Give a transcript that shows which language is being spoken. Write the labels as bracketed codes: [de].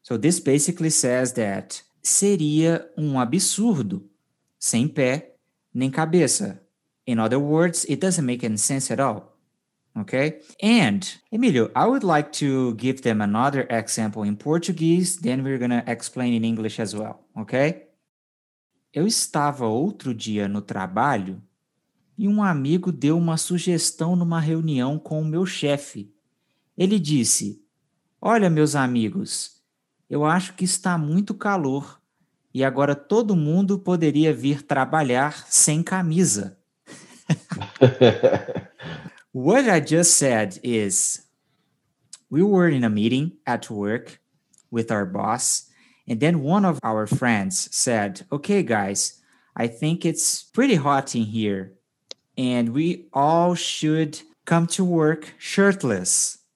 [en] So this basically says that [pt] seria absurdo, sem pé nem cabeça. [en] In other words, it doesn't make any sense at all. Okay? And, Emilio, I would like to give them another example in Portuguese, then we're going to explain in English as well. Okay? [pt] Eu estava outro dia no trabalho e amigo deu uma sugestão numa reunião com o meu chefe. Ele disse, olha, meus amigos, eu acho que está muito calor e agora todo mundo poderia vir trabalhar sem camisa. [en] What I just said is, we were in a meeting at work with our boss, and then one of our friends said, okay, guys, I think it's pretty hot in here, and we all should come to work shirtless.